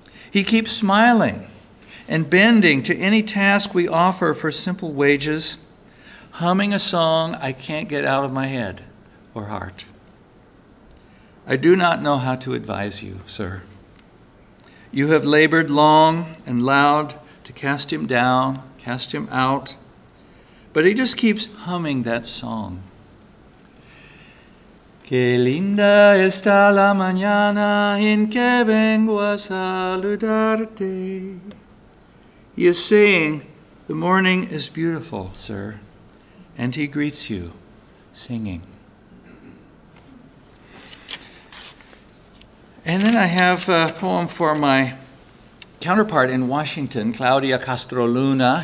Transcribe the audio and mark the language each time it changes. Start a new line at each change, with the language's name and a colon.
English: He keeps smiling and bending to any task we offer for simple wages, humming a song I can't get out of my head or heart. I do not know how to advise you, sir. You have labored long and loud to cast him down, cast him out, but he just keeps humming that song.
Spanish: Qué linda está la mañana en que vengo a saludarte.
English: He is saying, the morning is beautiful, sir, and he greets you, singing. And then I have a poem for my counterpart in Washington, Claudia Castro Luna.